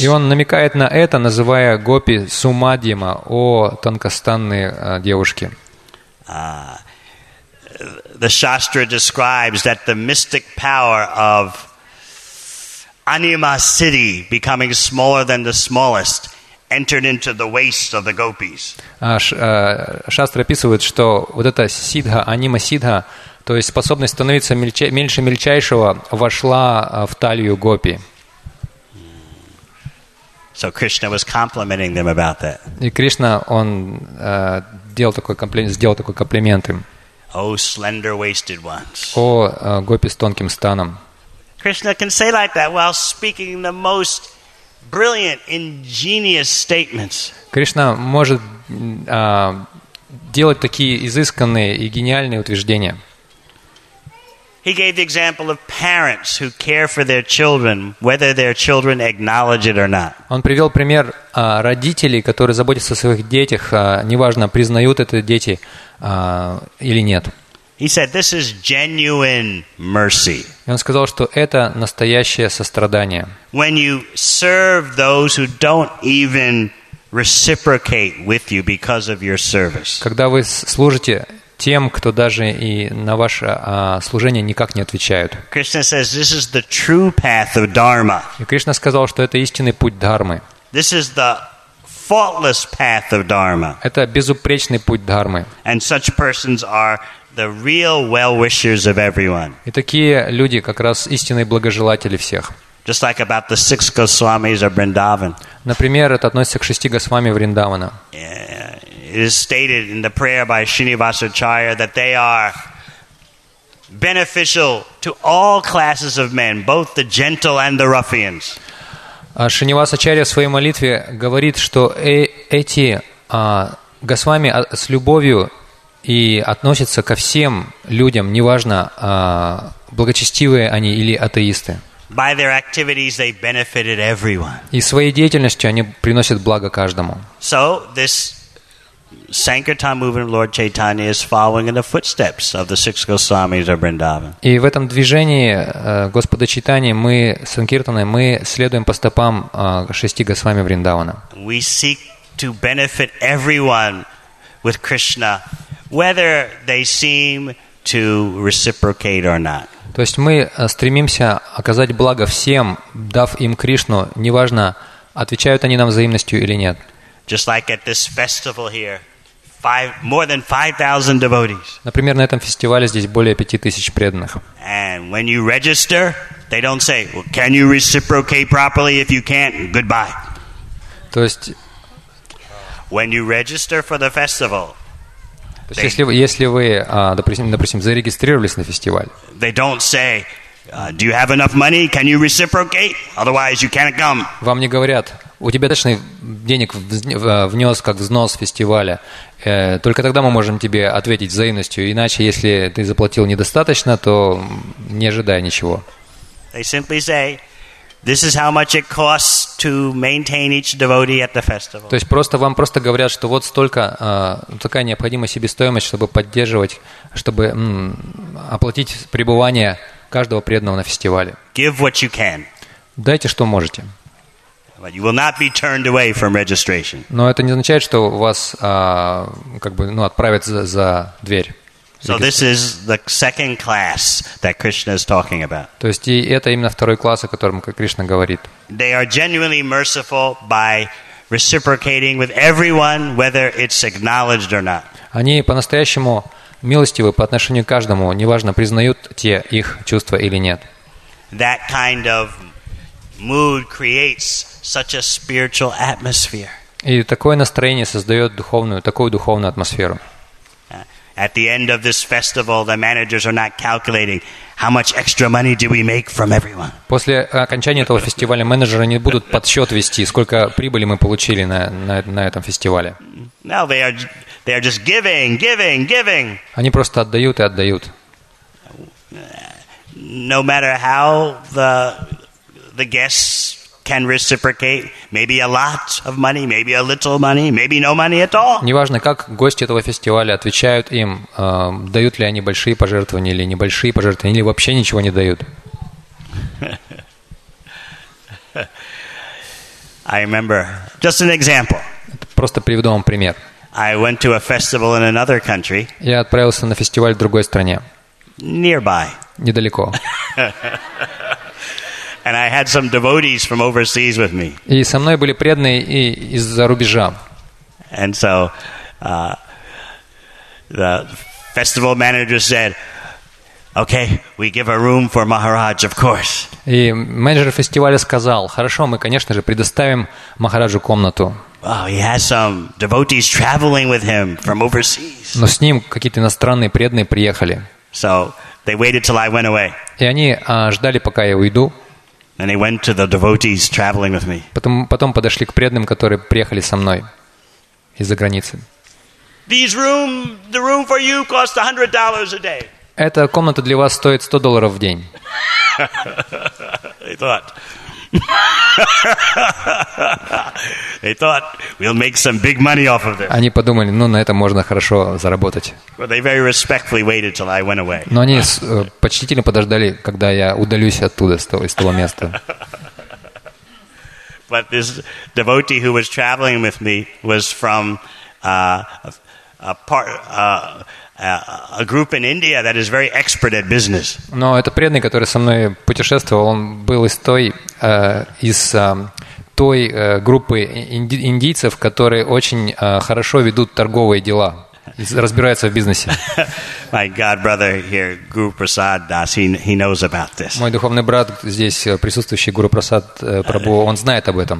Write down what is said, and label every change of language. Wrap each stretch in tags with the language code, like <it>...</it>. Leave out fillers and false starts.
<ru>И он намекает на это, называя гопи сумадьяма, о тонкостанные девушки.</ru> <en>the Shastra describes that the mystic power of Anima City becoming smaller than the smallest entered into the waist of the gopis.</en> <ru>Шастра описывает, что вот эта сидха, анима сидха, то есть способность становиться меньше мельчайшего, вошла в талию гопи.</ru> <en>So Krishna was complimenting them about that.</en> <ru>И Кришна, он сделал такой комплимент им.</ru> <en>Oh, slender-waisted ones.</en> <ru>О, гопи с тонким станом.</ru> <en>Krishna can say like that while speaking the most brilliant, ingenious statements.</en> <ru>Кришна может делать такие изысканные и гениальные утверждения.</ru> <en>He gave the example of parents who care for their children, whether their children acknowledge it or not.</en> <ru>Он привел пример родителей, которые заботятся о своих детях, неважно, признают это дети или нет.</ru> <en>He said, "This is genuine mercy."</en> <ru>И он сказал, что это настоящее сострадание.</ru> <en>When you serve those who don't even reciprocate with you because of your service.</en> <ru>Когда вы служите тем, кто даже и на ваше служение никак не отвечают.</ru> <en>Krishna says, "This is the true path of dharma."</en> <ru>И Кришна сказал, что это истинный путь дхармы.</ru> <en>This is the faultless path of dharma.</en> <ru>Это безупречный путь дхармы.</ru> <en>And such persons are the real well-wishers of everyone.</en> <ru>И такие люди как раз истинные благожелатели всех.</ru> <en>Just like about the six Goswamis of Vrindavan.</en> <ru>Например, это относится к шести Госвами Вриндавана.</ru> <en>It is stated in the prayer by Srinivasacharya that they are beneficial to all classes of men, both the gentle and the ruffians.</en> <ru>Шринивасачарья в своей молитве говорит, что эти Госвами с любовью и относятся ко всем людям, неважно, благочестивые они или атеисты.</ru> <en>By their activities, they benefited everyone.</en> <ru>И своей деятельностью они приносят благо каждому.</ru> <en>So, this Sankirtan movement of Lord Chaitanya is following in the footsteps of the six Goswamis of Vrindavan.</en> <ru>И в этом движении Господа Чайтаньи мы санкиртаны, мы следуем по стопам шести Госвами Вриндавана.</ru> <en>We seek to benefit everyone with Krishna, whether they seem to reciprocate or not.</en> <ru>То есть мы стремимся оказать благо всем, дав им Кришну, неважно, отвечают они нам взаимностью или нет.</ru> <en>Just like at this festival here, more than 5,000 devotees.</en> <ru>Например, на этом фестивале здесь более 5,000 преданных.</ru> <en>And when you register, they don't say, "Well, can you reciprocate properly? If you can't, goodbye."</en> <ru>То есть,</ru> <en>when you register for the festival,</en> <ru>то есть, если вы, допустим, зарегистрировались на фестиваль,</ru> <en>they don't say, "Do you have enough money? Can you reciprocate? Otherwise, you can't come."</en> <ru>Вам не говорят: у тебя точно денег внес как взнос фестиваля. Только тогда мы можем тебе ответить взаимностью. Иначе, если ты заплатил недостаточно, то не ожидай ничего.</ru> <en>They simply say, "This is how much it costs to maintain each devotee at the festival."</en> <ru>То есть просто вам просто говорят, что вот столько такая необходимая себестоимость, чтобы поддерживать, чтобы оплатить пребывание каждого преданного на фестивале.</ru> <en>Give what you can.</en> <ru>Дайте, что можете.</ru> <en>But you will not be turned away from registration.</en> <ru>Но это не означает, что вас отправят за дверь.</ru> <en>So this is the second class that Krishna is talking about.</en> <ru>То есть это именно второй класс, о котором Кришна говорит.</ru> <en>They are genuinely merciful by reciprocating with everyone, whether it's acknowledged or not.</en> <ru>Они по-настоящему милостивы по отношению к каждому, неважно, признают те их чувства или нет.</ru> <en>That kind of mood creates such a spiritual atmosphere.</en> <ru>И такое настроение создает такую духовную атмосферу.</ru> <en>At the end of this festival, the managers are not calculating how much extra money do we make from everyone.</en> <ru>После окончания этого фестиваля менеджеры не будут подсчет вести, сколько прибыли мы получили на этом фестивале.</ru> <en>Now they are just giving.</en> <ru>Они просто отдают и отдают.</ru> <en>No matter how the guests can reciprocate, maybe a lot of money, maybe a little money, maybe no money at all.</en> <ru>Неважно, как гости этого фестиваля отвечают им, дают ли они большие пожертвования или небольшие пожертвования, или вообще ничего не дают.</ru> <en>I remember. Just an example.</en> <ru>Просто приведу вам пример.</ru> <en>I went to a festival in another country.</en> <ru>Я отправился на фестиваль в другой стране.</ru> <en>Nearby.</en> <ru>Недалеко.</ru> <en>And I had some devotees from overseas with me.</en> <ru>И со мной были преданные и из-за рубежа.</ru> <en>And so the festival manager said, "Okay, we give a room for Maharaj, of course."</en> <ru>И менеджер фестиваля сказал: "Хорошо, мы, конечно же, предоставим Махараджу комнату."</ru> <en>Oh, he has some devotees traveling with him from overseas.</en> <ru>Но с ним какие-то иностранные преданные приехали.</ru> <en>So they waited till I went away.</en> <ru>И они ждали, пока я уйду.</ru> <en>And he went to the devotees traveling with me.</en> <ru>Потом подошли к преданным, которые приехали со мной из-за границы.</ru> <en>The room for you costs $100 a day.</en> <ru>Эта комната для вас стоит $100 в день.</ru> <en>They thought we'll make some big money off of this.</en> <ru>Они подумали, ну на этом можно хорошо заработать.</ru> <en>But they very respectfully waited till I went away.</en> <ru>Но они почтительно подождали, когда я удалюсь оттуда, из того места.</ru> <en>But this devotee who was traveling with me was from a group in India that is very expert at business.</en> <ru>Но этот преданный, который со мной путешествовал, он был из той группы индийцев, которые очень хорошо ведут торговые дела, разбираются в бизнесе.</ru> <en>My god brother here, Guru Prasad Das, he knows about this.</en> <ru>Мой духовный брат здесь присутствующий, Гуру Прасад Прабху, он знает об этом.</ru>